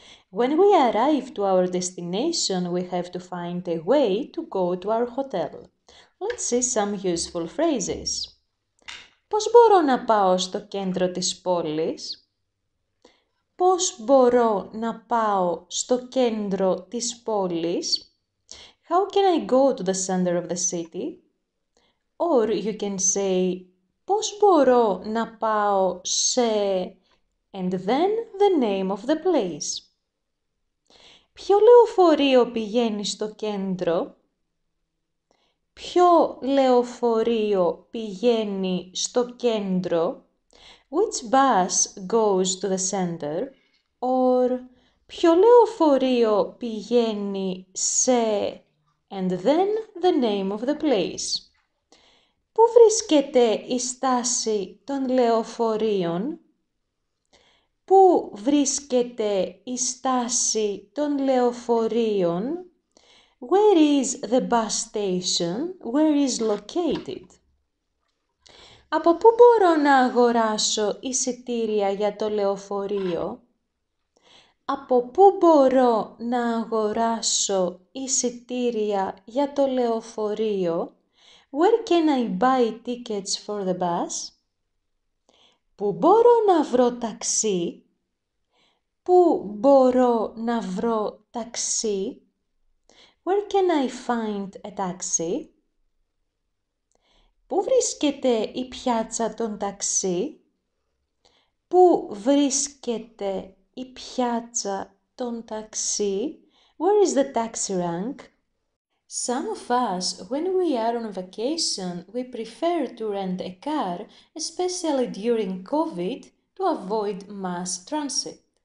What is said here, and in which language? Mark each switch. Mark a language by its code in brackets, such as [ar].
[en] When we arrive to our destination, we have to find a way to go to our hotel. Let's see some useful phrases. [el] Πώς μπορώ να πάω στο κέντρο της πόλης? Πώς μπορώ να πάω στο κέντρο της πόλης? [en] How can I go to the center of the city? Or you can say, [el] πώς μπορώ να πάω σε... [en] And then the name of the place. [el] Ποιο λεωφορείο πηγαίνει στο κέντρο? Ποιο λεωφορείο πηγαίνει στο κέντρο? [en] Which bus goes to the center? Or [el] ποιο λεωφορείο πηγαίνει σε... [en] And then the name of the place. [el] Πού βρίσκεται η στάση των λεωφορείων? Πού βρίσκεται η στάση των λεωφορείων? [en] Where is the bus station? Where is located? [el] Από πού μπορώ να αγοράσω εισιτήρια για το λεωφορείο? Από πού μπορώ να αγοράσω εισιτήρια για το λεωφορείο? [en] Where can I buy tickets for the bus? [el] Πού μπορώ να βρω ταξί? Πού μπορώ να βρω ταξί? [en] Where can I find a taxi? [el] Πού βρίσκεται η πιάτσα των ταξί? Πού βρίσκεται η πιάτσα των ταξί? [en] Where is the taxi rank? Some of us, when we are on vacation, we prefer to rent a car, especially during COVID, to avoid mass transit.